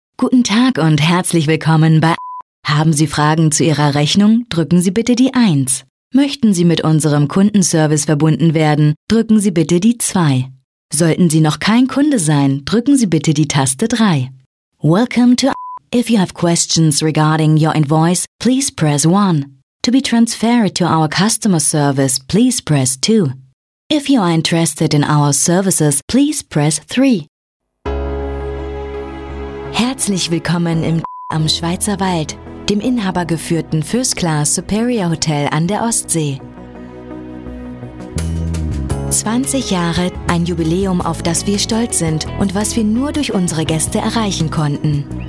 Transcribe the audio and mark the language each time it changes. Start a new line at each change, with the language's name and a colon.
German: Guten Tag und herzlich willkommen bei Haben Sie Fragen zu Ihrer Rechnung? Drücken Sie bitte die 1. Möchten Sie mit unserem Kundenservice verbunden werden? Drücken Sie bitte die 2. Sollten Sie noch kein Kunde sein, drücken Sie bitte die Taste 3.
English: Welcome to If you have questions regarding your invoice, please press 1. To be transferred to our customer service, please press 2. If you are interested in our services, please press 3.
German: Herzlich willkommen im am Schweizer Wald, dem inhabergeführten First Class Superior Hotel an der Ostsee. 20 Jahre, ein Jubiläum, auf das wir stolz sind und was wir nur durch unsere Gäste erreichen konnten.